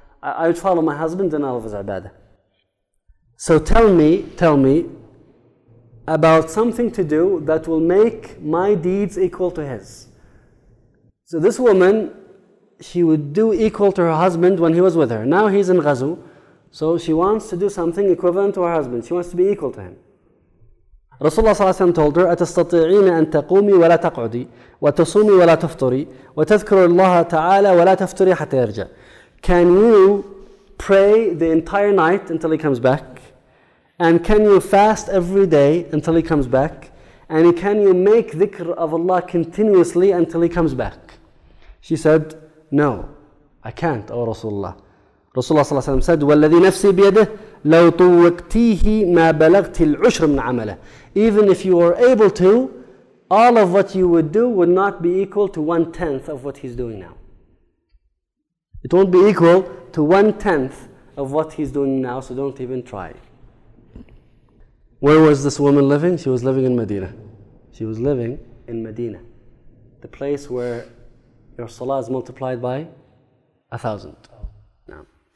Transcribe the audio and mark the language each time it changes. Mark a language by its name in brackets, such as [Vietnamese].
[English] I would follow my husband in all of his ibadah. So tell me about something to do that will make my deeds equal to his." So this woman, she would do equal to her husband when he was with her. Now he's in Ghazu, so she wants to do something equivalent to her husband. She wants to be equal to him. Rasulullah ﷺ told her, [Arabic] أَتَسْتَطِعِينَ أَن تَقُومِ وَلَا تَقْعُدِي وَتَصُومِ وَلَا تَفْطُرِي وَتَذْكُرُ اللَّهَ تَعَالَى وَلَا تَفْطُرِي حَتَّى يَرْجَى. [English] Can you pray the entire night until he comes back? And can you fast every day until he comes back? And can you make dhikr of Allah continuously until he comes back? She said, "No, I can't, O Rasulullah." Rasulullah ﷺ said, [Arabic] "وَالَّذِي نَفْسِي بِيَدِهِ لَوْ طُوَّقْتِيهِ مَا بَلَغْتِ الْعُشْرَ مِنْ عَمَلَهِ." [English] Even if you were able to, all of what you would do would not be equal to 1/10 of what he's doing now. It won't be equal to 1/10 of what he's doing now, so don't even try. Where was this woman living? She was living in Medina. She was living in Medina, the place where your salah is multiplied by 1,000. No.